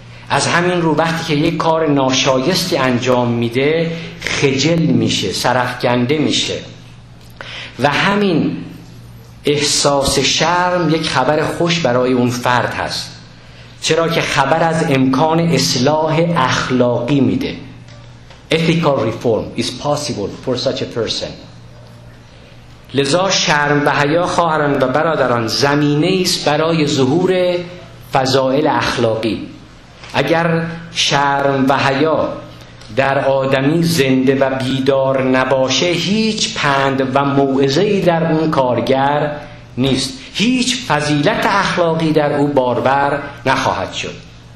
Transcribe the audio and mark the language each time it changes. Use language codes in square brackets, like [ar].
[fa] از همین رو وقتی که یک کار ناشایستی انجام میده، خجل میشه، سرفکنده میشه، و همین احساس شرم یک خبر خوش برای اون فرد هست، چرا که خبر از امکان اصلاح اخلاقی میده. [en] Ethical reform is possible for such a person. [fa] لذا شرم و حیا، خواهران و برادران، زمینه است برای ظهور فضائل اخلاقی. اگر شرم و حیا در آدمی زنده و بیدار نباشه، هیچ پند و موعظه‌ای در اون کارگر نیست، هیچ فضیلت اخلاقی در او بارور نخواهد شد.